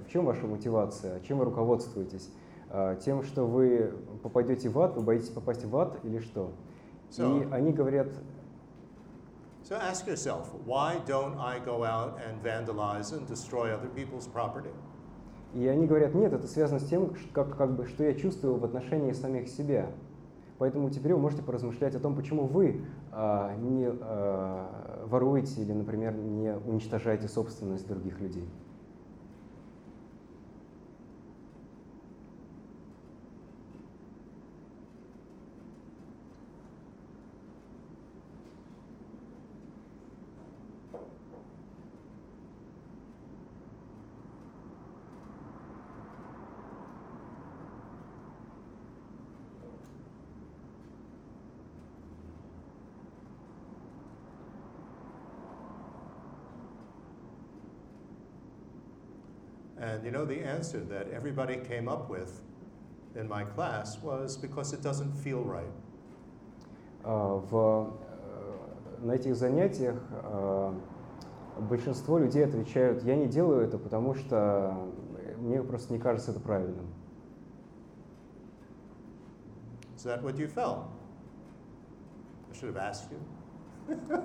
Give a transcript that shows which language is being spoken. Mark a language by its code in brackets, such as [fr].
[ru] В чем ваша мотивация? Чем вы руководствуетесь? Тем, что вы попадете в ад, вы боитесь попасть в ад или что? И они говорят... [en] So ask yourself, why don't I go out and vandalize and destroy other people's property? [ru] И они говорят, нет, это связано с тем, как бы, что я чувствую в отношении самих себя. Поэтому теперь вы можете поразмышлять о том, почему вы не воруете или, например, не уничтожаете собственность других людей. [en] And you know, the answer that everybody came up with in my class was because it doesn't feel right. [ru] На этих занятиях большинство людей отвечают, я не делаю это, потому что мне просто не кажется это правильным. [en] Is that what you felt? I should have asked you.